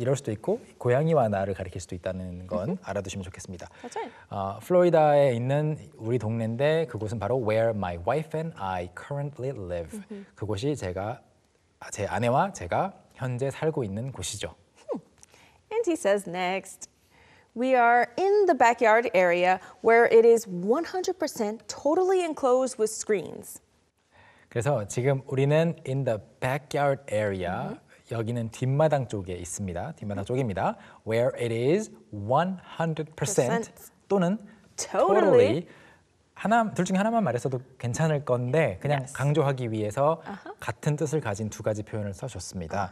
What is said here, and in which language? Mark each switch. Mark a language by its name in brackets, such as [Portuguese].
[Korean] 이럴 수도 있고 고양이와 나를 가리킬 수도 있다는 건 알아두시면 좋겠습니다. [English] That's right. [Korean] 플로리다에 있는 우리 동네인데 그곳은 바로 [English] where my wife and I currently live. [Korean] 그곳이 제가 제 아내와 제가 현재 살고 있는 곳이죠. [English] And he says next. We are in the backyard area where it is 100% totally enclosed with screens. [Korean] 그래서 지금 우리는 [English] in the backyard area, mm-hmm. [Korean] 여기는 뒷마당 쪽에 있습니다. 뒷마당 쪽입니다. [English] Where it is 100% [Korean] 또는 totally 하나 둘 중에 하나만 말했어도 괜찮을 건데 그냥 [English] yes. [Korean] 강조하기 위해서 uh-huh. 같은 뜻을 가진 두 가지 표현을 써줬습니다.